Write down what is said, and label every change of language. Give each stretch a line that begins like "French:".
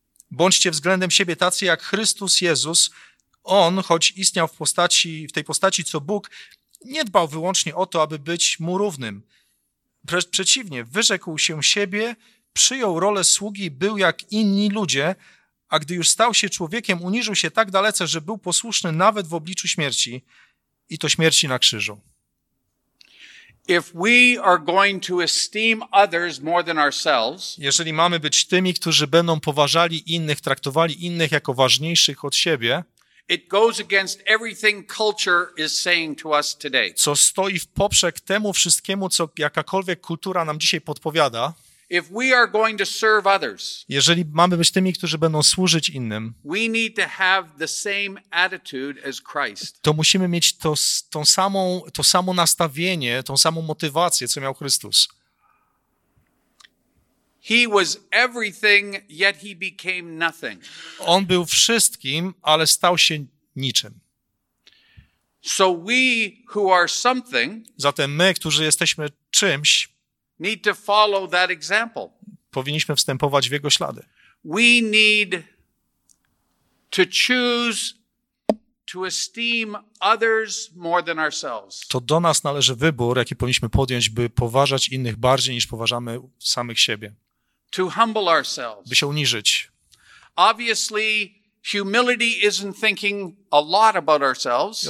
Polish: Bądźcie względem siebie tacy jak Chrystus Jezus. On, choć istniał w tej postaci, co Bóg, nie dbał wyłącznie o to, aby być mu równym. Przeciwnie, wyrzekł się siebie, przyjął rolę sługi, był jak inni ludzie, a gdy już stał się człowiekiem, uniżył się tak dalece, że był posłuszny nawet w obliczu śmierci, i to śmierci na krzyżu.
English: If we are going to esteem others more than ourselves,
Polish: jeżeli mamy być tymi, którzy będą poważali innych, traktowali innych jako ważniejszych od siebie,
English: it goes against everything culture is saying to us today.
Polish: Co stoi w poprzek temu wszystkiemu, co jakakolwiek kultura nam dzisiaj podpowiada.
English: If we are going to serve others,
Polish: jeżeli mamy być tymi, którzy będą służyć innym,
English: we need to have the same attitude as Christ.
Polish: To musimy mieć to samo nastawienie, tą samą motywację, co miał Chrystus.
English: He was everything, yet he became nothing.
Polish: On był wszystkim, ale stał się niczym.
English: So we who are something,
Polish: zatem my, którzy jesteśmy czymś,
English: need to follow that example.
Polish: Powinniśmy wstępować w jego ślady.
English: We need to choose to esteem others more than ourselves.
Polish: To do nas należy wybór, jaki powinniśmy podjąć, by poważać innych bardziej niż poważamy samych siebie.
English: To humble ourselves.
Polish: By się uniżyć.
English: Obviously, humility isn't thinking a lot about ourselves.